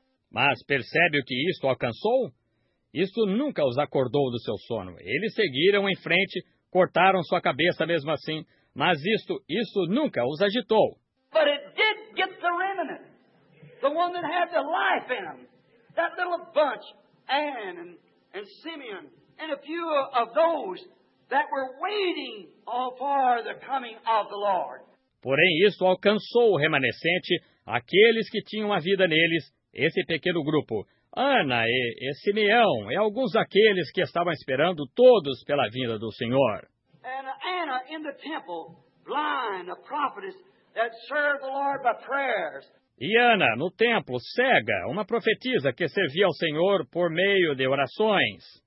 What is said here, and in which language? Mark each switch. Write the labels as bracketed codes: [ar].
[pt] Mas percebe o que isto alcançou? Isto nunca os acordou do seu sono. Eles seguiram em frente, cortaram sua cabeça mesmo assim, mas isto nunca os agitou. [en] But it did get the remnant. The one that had the life in him, that little bunch, Anne and Simeon, and a few of those that were waiting for the coming of the Lord. [pt] Porém, isso alcançou o remanescente, aqueles que tinham a vida neles, esse pequeno grupo, Ana e Simeão, e alguns daqueles que estavam esperando todos pela vinda do Senhor. [en] And Anna in the temple, blind, a prophetess that served the Lord by prayers. [pt] E Ana, no templo, cega, uma profetisa que servia ao Senhor por meio de orações.